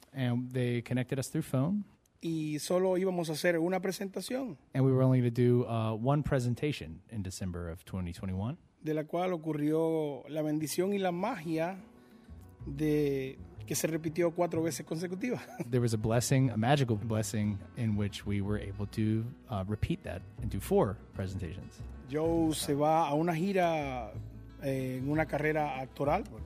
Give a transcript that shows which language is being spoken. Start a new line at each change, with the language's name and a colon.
English: And they connected us through phone.
Spanish: Y solo íbamos a hacer una presentación.
English: And we were only to do one presentation in December of 2021.
Spanish: De la cual ocurrió la bendición y la magia de que se repitió 4 veces consecutivas.
English: There was a blessing, a magical blessing, in which we were able to repeat that and do 4 presentations.
Spanish: Joe se va a una gira en una carrera actoral.